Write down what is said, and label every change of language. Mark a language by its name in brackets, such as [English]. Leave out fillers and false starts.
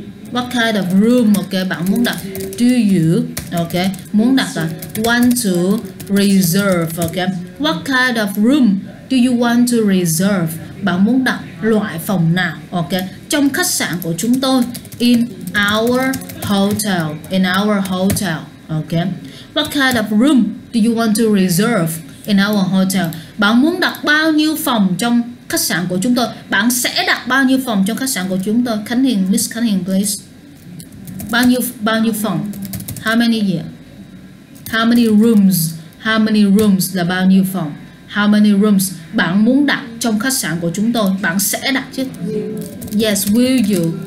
[English] What kind of room, ok. [Vietnamese] Bạn muốn đặt, [English] do you, ok, [Vietnamese] muốn đặt là [English] want to reserve, ok. What kind of room do you want to reserve? [Vietnamese] Bạn muốn đặt loại phòng nào, ok, trong khách sạn của chúng tôi, [English] in our hotel, [Vietnamese] ok. [English] What kind of room do you want to reserve in our hotel? [Vietnamese] Bạn muốn đặt bao nhiêu phòng trong khách sạn của chúng tôi? Bạn sẽ đặt bao nhiêu phòng trong khách sạn của chúng tôi? Khánh Hiền, Miss Khánh Hiền, please. Bao nhiêu phòng? [English] How many rooms [Vietnamese] là bao nhiêu phòng? [English] How many rooms [Vietnamese] bạn muốn đặt trong khách sạn của chúng tôi? Bạn sẽ đặt chứ? [English] Yes, will you?